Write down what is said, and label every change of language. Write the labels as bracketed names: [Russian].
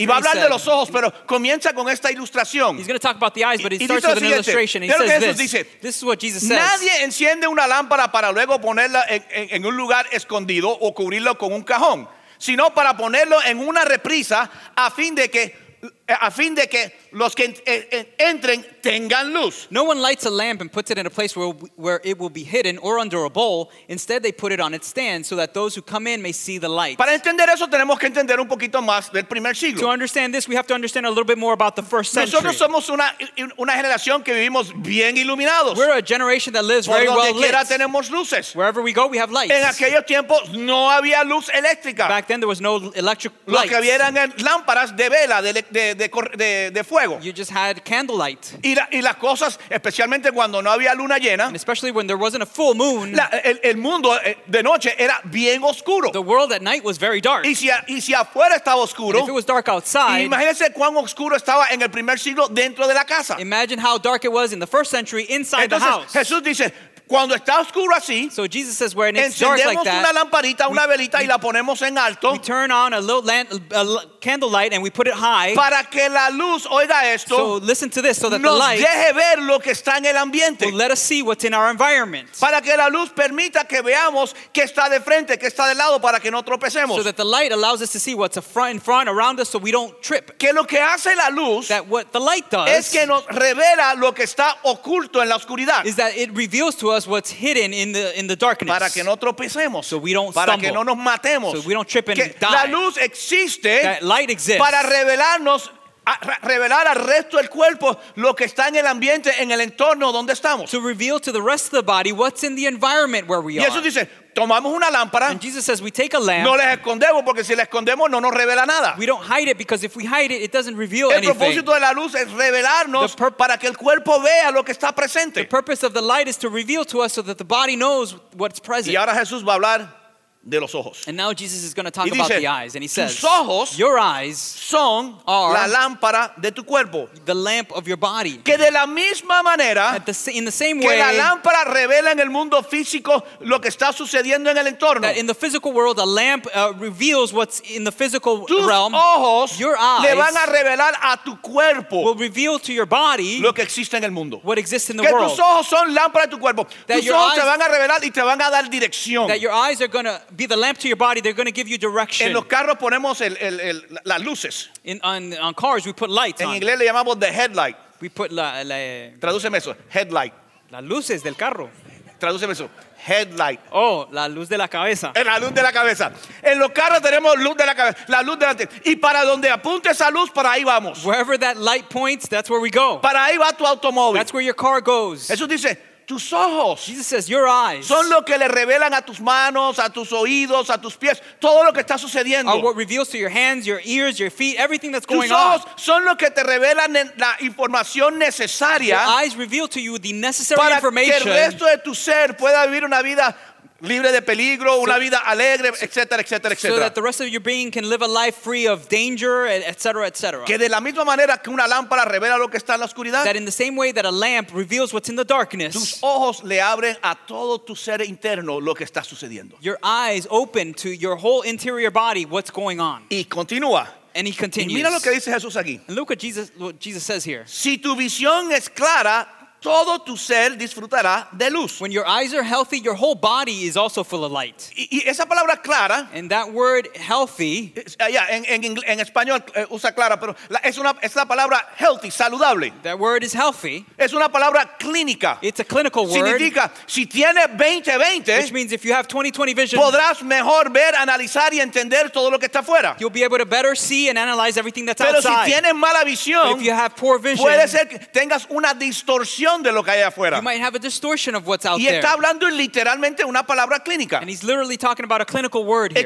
[Spanish] y va a hablar de los ojos, pero comienza con esta ilustración. [English] He's going to talk about the eyes, but he starts with an illustration. And he says this. [Spanish] Dice, [English] this is what Jesus says. [Spanish] Nadie enciende una lámpara para luego ponerla en un lugar escondido o cubrirlo con un cajón, sino para ponerlo en una reprisa a fin de que los que entren tengan luz. [English] No one lights a lamp and puts it in a place where it will be hidden or under a bowl. Instead, they put it on its stand so that those who come in may see the light. [Spanish] Para entender eso, tenemos que entender un poquito más del primer siglo. [English] To understand this, we have to understand a little bit more about the first century. [Spanish] Nosotros somos una generación que vivimos bien iluminados. [English] We're a generation that lives very well lit. [Spanish] Por donde quiera tenemos luces. [English] Wherever we go, we have lights. [Spanish] En aquellos tiempos no había luz eléctrica. [English] Back then, there was no electric lights. [Spanish] Lo que había eran lámparas de vela, de fuego. [English] You just had candlelight. [Spanish] Y las cosas, especialmente cuando no había luna llena, [English] and especially when there wasn't a full moon, [Spanish] el mundo de noche era bien oscuro. [English] The world at night was very dark. [Spanish] Y si afuera estaba oscuro, [English] and if it was dark outside, [Spanish] imagínense cuán oscuro estaba en el primer siglo dentro de la casa. [English] Imagine how dark it was in the first century inside [Spanish] entonces, [English] the house. [Spanish] Jesús dice, cuando está oscuro así, [English] so Jesus says, when it's [Spanish] encendemos [English] dark like that, [Spanish] una lamparita, una velita y la ponemos en alto. [English] We turn on a little a candlelight and we put it high. [Spanish] Para que la luz oiga esto. [English] So listen to this, so that the light [Spanish] deje ver lo que está en el ambiente. [English] Will let us see what's in our environment. [Spanish] Para que la luz permita que veamos que está de frente, que está de lado, para que no tropecemos. [English] So that the light allows us to see what's in front around us, so we don't trip. [Spanish] Que lo que hace la luz, [English] that what the light does, [Spanish] es que nos revela lo que está oculto en la oscuridad. [English] Is that it reveals to us what's hidden in the darkness. [Spanish] Para que no tropecemos. [English] So we don't [Spanish] para [English] stumble. [Spanish] Que no nos matemos. [English] So we don't trip and [Spanish] que [English] die. [Spanish] La luz existe. [English] Light exists [Spanish] para revelarnos revelar al resto del cuerpo lo que está en el ambiente, en el entorno donde estamos. [English] To reveal to the rest of the body what's in the environment where we are. [Spanish] Y Jesús dice, tomamos una lámpara. [English] And Jesus says, we take a lamp. [Spanish] No les escondemos porque si les escondemos no nos revela nada. [English] We don't hide it because if we hide it, it doesn't reveal [Spanish] anything. El propósito de la luz es revelarnos para que el cuerpo vea lo que está presente. [English] The purpose of the light is to reveal to us so that the body knows what's present. [Spanish] Y ahora Jesús va a hablar de los ojos. [English] And now Jesus is going to talk [Spanish] dice, [English] about the eyes, and he says, [Spanish] tus ojos, [English] your eyes [Spanish] son [English] are [Spanish] la lámpara de tu cuerpo, [English] the lamp of your body. [Spanish] Que de la misma manera, [English] in the same way, [Spanish] que la lámpara revela en el mundo físico lo que está sucediendo en el entorno, [English] that in the physical world a lamp reveals what's in the physical [Spanish] tus [English] realm, [Spanish] ojos [English] your eyes [Spanish] le van a revelar a tu cuerpo, [English] will reveal to your body [Spanish] lo que existe en el mundo, [English] what exists in the [Spanish] que [English] world. [Spanish] Que tus ojos son lámpara de tu cuerpo. That tus ojos te van a revelar y te van a dar dirección. [English] That your eyes are going to be the lamp to your body. They're going to give you direction. [Spanish] En los carros ponemos las luces. [English] On cars we put lights. [Spanish] En inglés le llamamos the headlight. [English] We put la [Spanish] tradúceme eso. Headlight. Las luces del carro. Tradúceme eso. Headlight. Oh, la luz de la cabeza. La luz de la cabeza. En los carros tenemos luz de la cabeza, la luz delante. Y para donde apunte esa luz, para ahí vamos. [English] Wherever that light points, that's where we go. [Spanish] Para ahí va tu automóvil. [English] That's where your car goes. [Spanish] Jesús dice, tus ojos. [English] Jesus says, your eyes. [Spanish] Son lo que le revelan a tus manos, a tus oídos, a tus pies, todo lo que está sucediendo. [English] Are what reveals to your hands, your ears, your feet, everything that's going on. [Spanish] Tus ojos son lo que te revelan la información necesaria. [English] Your eyes reveal to you the necessary information. [Spanish] Para que el resto de tu ser pueda vivir una vida libre de peligro, una vida alegre, etcétera, etcétera, etcétera. [English] So that the rest of your being can live a life free of danger, etcétera, etcétera. [Spanish] Que de la misma manera que una lámpara revela lo que está en la oscuridad. [English] That in the same way that a lamp reveals what's in the darkness. [Spanish] Tus ojos le abren a todo tu ser interno lo que está sucediendo. [English] Your eyes open to your whole interior body what's going on. [Spanish] Y continúa. [English] And he continues. [Spanish] Y mira lo que dice Jesús aquí. [English] And look what Jesus says here. [Spanish] Si tu visión es clara, todo tu ser disfrutará de luz. [English] When your eyes are healthy, your whole body is also full of light. [Spanish] Y esa palabra clara. [English] And that word healthy. [Spanish] En español usa clara, pero es la palabra healthy, saludable. [English] That word is healthy. [Spanish] Es una palabra clínica. [English] It's a clinical word. [Spanish] Significa, si tienes 20-20. [English] Which means if you have 20-20 vision. [Spanish] Podrás mejor ver, analizar y entender todo lo que está afuera. [English] You'll be able to better see and analyze everything that's [Spanish] pero [English] outside. [Spanish] Pero si tienes mala visión. [English] But if you have poor vision. [Spanish] Puede ser que tengas una distorsión. [English] You might have a distortion of what's out [Spanish] y está [English] there. [Spanish] Hablando literalmente una palabra clínica. [English] And he's literally talking about a clinical word here.